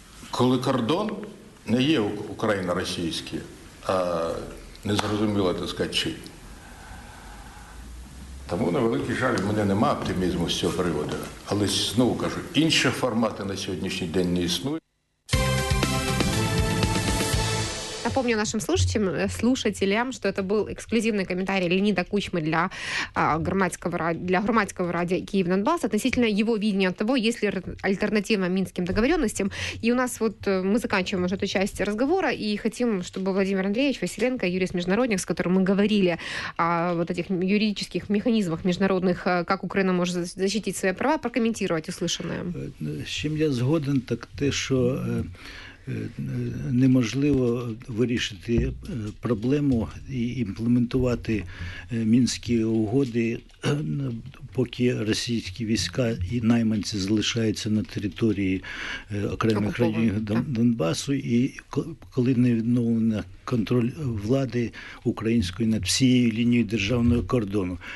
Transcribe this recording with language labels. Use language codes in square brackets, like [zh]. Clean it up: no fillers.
[uk] Коли кордон не є Україна російська, а не зрозуміло, так сказати, чи. Тому, на великий жаль, в мене нема оптимізму з цього приводу. Але, знову кажу, інших форматів на сьогоднішній день не існує. [ru] Напомню нашим слушателям, что это был эксклюзивный комментарий Леонида Кучмы для громадского радио «Киев-Донбасс» относительно его видения того, есть ли альтернатива минским договоренностям. И у нас вот мы заканчиваем уже эту часть разговора и хотим, чтобы Владимир Андреевич Василенко, юрист международник, с которым мы говорили о вот этих юридических механизмах международных, как Украина может защитить свои права, прокомментировать услышанное. С чем [uk] я згоден, так те, что неможливо вирішити проблему і імплементувати Мінські угоди, поки російські війська і найманці залишаються на території окремих районів Донбасу, і коли не відновлена контроль влади української над всією лінією державного кордону.